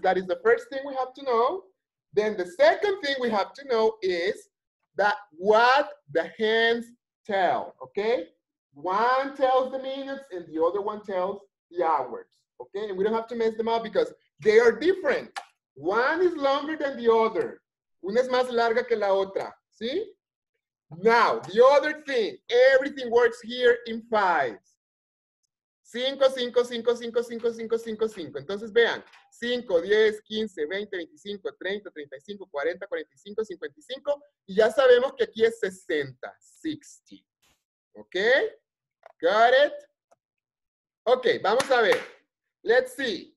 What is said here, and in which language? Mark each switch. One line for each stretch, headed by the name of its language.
English: That is the first thing we have to know. Then the second thing we have to know is that what the hands tell, okay? One tells the minutes and the other one tells the hours, okay? And we don't have to mess them up because they are different. One is longer than the other.
Spanish: Una es más larga que la otra, ¿sí?
English: Now, the other thing, everything works here in fives.
Spanish: Cinco, cinco, cinco, cinco, cinco, cinco, cinco, cinco. Entonces vean, 5, 10, 15, 20, 25, 30, 35, 40, 45, 55. Y ya sabemos que aquí es 60, 60. ¿Ok?
English: Got it?
Spanish: Ok, vamos a ver.
English: Let's see.